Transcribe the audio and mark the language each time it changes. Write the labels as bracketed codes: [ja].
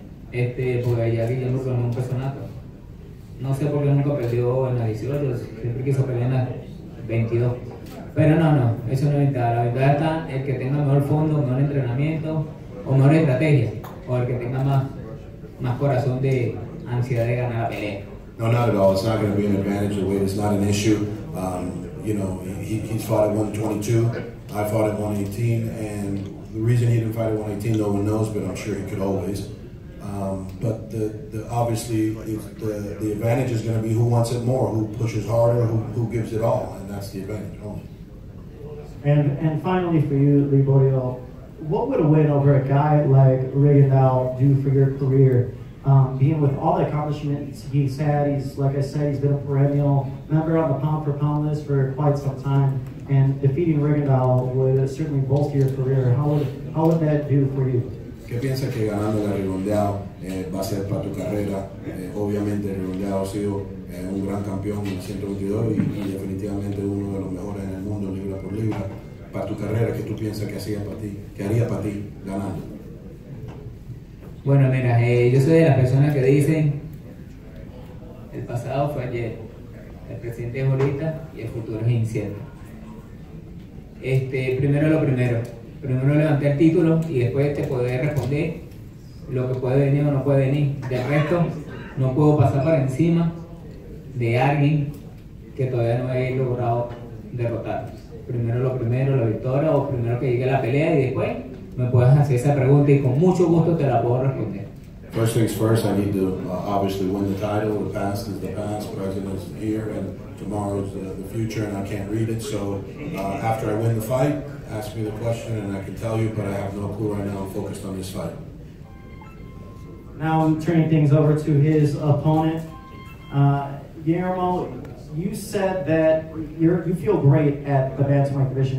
[es] Porque ya que yo no tengo un peso nato. No sé por qué nunca perdió en la 18, siempre quiso pelear en la 22. Pero no, eso no es ventaja. La ventaja está el que tenga mejor fondo, mejor entrenamiento o mejor estrategia. O el que tenga más corazón de ansiedad de ganar la pelea. [en] No, not at all. It's not going to be an advantage of weight. It's not an issue. You know, he's fought at 122. I fought at 118. And the reason he didn't fight at 118, no one knows, but I'm sure he could always. But the obviously, the advantage is going to be who wants it more, who pushes harder, who gives it all. And that's the advantage only. And finally for you, Liborio, what would a win over a guy like Rigondeaux do for your career? Being with all the accomplishments he's had, he's been a perennial member on the pound for pound list for quite some time, and defeating Rigondeaux would certainly bolster your career. How would that do for you? [es] ¿Qué piensa que ganando a Rigondeaux va a ser para tu carrera. Obviamente, Rigondeaux ha sido un gran campeón en el 122 y definitivamente uno de los mejores en el mundo, libra por libra. Para tu carrera, ¿qué tú piensas que hacía para ti, que haría para ti ganando? Bueno, mira, yo soy de las personas que dicen el pasado fue ayer, el presente es ahorita y el futuro es incierto. Primero lo primero. Primero levanté el título y después te puedo responder lo que puede venir o no puede venir. De resto, no puedo pasar por encima de alguien que todavía no he logrado derrotar. Primero lo primero, la victoria, o primero que llegue la pelea y después me puedes hacer esa pregunta y con mucho gusto te la puedo responder. [en] First things first, I need to obviously win the title. The past is the past, present is here, and tomorrow's the future, and I can't read it. So after I win the fight, ask me the question, and I can tell you, but I have no clue right now. I'm focused on this fight. Now I'm turning things over to his opponent. Guillermo, you said that you feel great at the bantamweight division.